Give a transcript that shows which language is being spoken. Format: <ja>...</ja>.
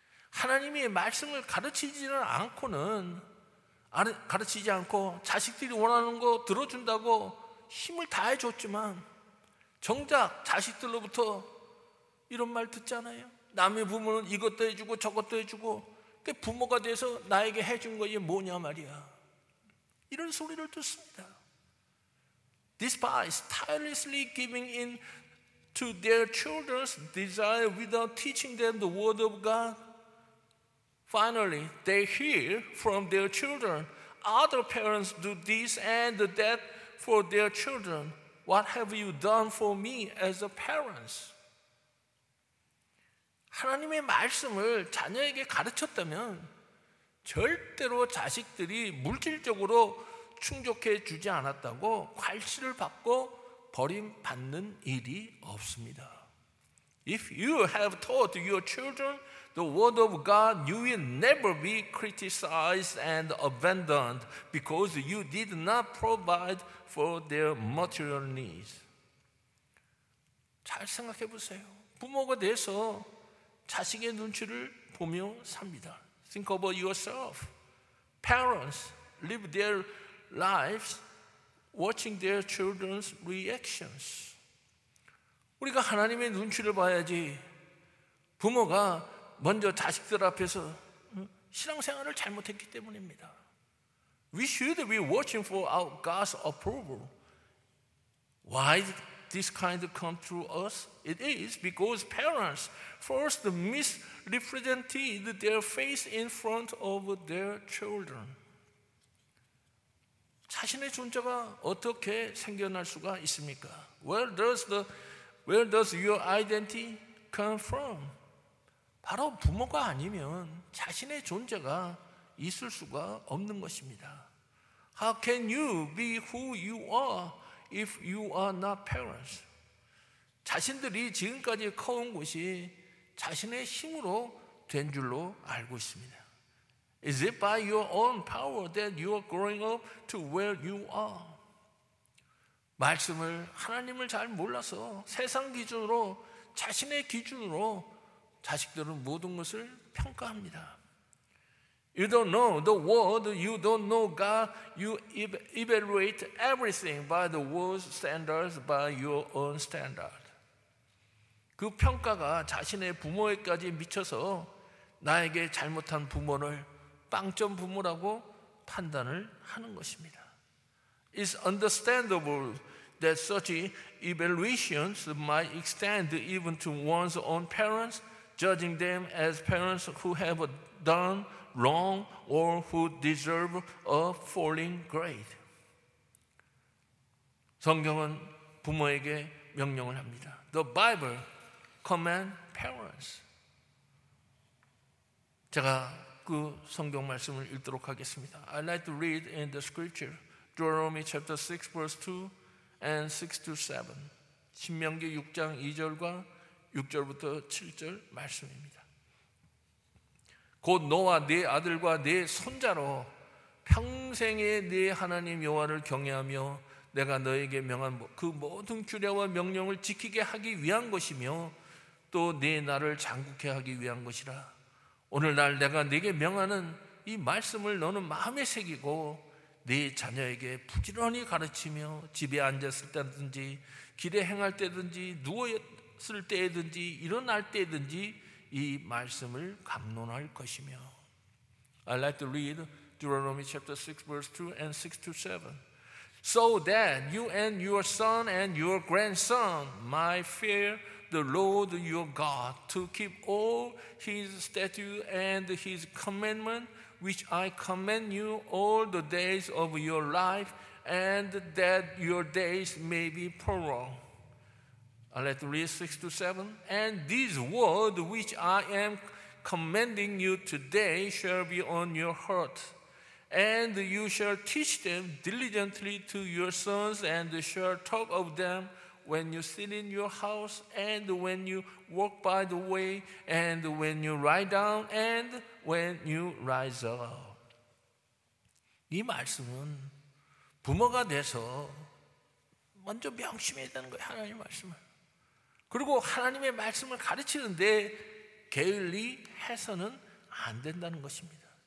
<ko>하나님이 말씀을 가르치지는 않고는, 가르치지 않고 자식들이 원하는 거 들어준다고 힘을 다해 줬지만 정작 자식들로부터 이런 말 듣잖아요. 남의 부모는 이것도 해주고 저것도 해주고, 부모가 돼서 나에게 해준 것이 뭐냐 말이야, 이런 소리를 듣습니다.</ko> <en>Despite tirelessly giving in to their children's desire without teaching them the word of God, finally they hear from their children, other parents do this and that for their children. What have you done for me as a parent?</en> <ko>하나님의 말씀을 자녀에게 가르쳤다면 절대로 자식들이 물질적으로 충족해 주지 않았다고 괄시를 받고 버림받는 일이 없습니다.</ko> <en>If you have taught your children the word of God, you will never be criticized and abandoned because you did not provide for their material needs.</en> <ko>잘 생각해 보세요. 부모가 돼서 자식의 눈치를 보며 삽니다.</ko> <en>Think about yourself. Parents live their lives watching their children's reactions.</en> <ko>우리가 하나님의 눈치를 봐야지 부모가 먼저 자식들 앞에서 신앙생활을 잘못했기 때문입니다.</ko> <en>We should be watching for our God's approval. Why this kind of come through us? It is because parents first misrepresented their faith in front of their children.</en> <ko>자신의 존재가 어떻게 생겨날 수가 있습니까?</ko> <en>Where does your identity come from?</en> <ko>바로 부모가 아니면 자신의 존재가 있을 수가 없는 것입니다.</ko> <en>How can you be who you are if you are not parents?</en> <ko>자신들이 지금까지 커온 것이 자신의 힘으로 된 줄로 알고 있습니다.</ko> <en>Is it by your own power that you are growing up to where you are?</en> <ko>말씀을 하나님을 잘 몰라서 세상 기준으로 자신의 기준으로 자식들은 모든 것을 평가합니다.</ko> <en>You don't know the world, you don't know God, you evaluate everything by the world's standards, by your own standard.</en> <ko>그 평가가 자신의 부모에게까지 미쳐서 나에게 잘못한 부모를 빵점 부모라고 판단을 하는 것입니다.</ko> <en>It's understandable that such evaluations might extend even to one's own parents, judging them as parents who have done wrong or who deserve a falling grade.</en> <ko>성경은 부모에게 명령을 합니다.</ko> <en>The Bible commands parents.</en> <ko>제가 그 성경 말씀을 읽도록 하겠습니다.</ko> <en>I'd like to read in the scripture, Deuteronomy chapter 6, verse 2 and 6 to 7.</en> <ko>신명기 6장 2절과 6절부터 7절 말씀입니다. 곧 너와 네 아들과 네 손자로 평생에 네 하나님 여호와를 경외하며 내가 너에게 명한 그 모든 규례와 명령을 지키게 하기 위한 것이며 또 네 나를 장국해 하기 위한 것이라. 오늘날 내가 네게 명하는 이 말씀을 너는 마음에 새기고 네 자녀에게 부지런히 가르치며 집에 앉았을 때든지 길에 행할 때든지 누워있을 때든지 일어날 때든지 이 말씀을 감론할 것이며.</ko> <en>I'd like to read Deuteronomy chapter 6 verse 2 and 6 to 7. So that you and your son and your grandson might fear the Lord your God to keep all his statutes and his commandment which I command you all the days of your life and that your days may be prolonged. Let's read 6 to 7. And these words which I am commanding you today shall be on your heart, and you shall teach them diligently to your sons, and shall talk of them when you sit in your house, and when you walk by the way, and when you lie down, and when you rise up.</en> <ko>이 말씀은 부모가 돼서 먼저 명심해야 되는 거예요. 하나님 말씀을. 그리고 하나님의 말씀을 가르치는데 게을리 해서는 안 된다는 것입니다.</ko>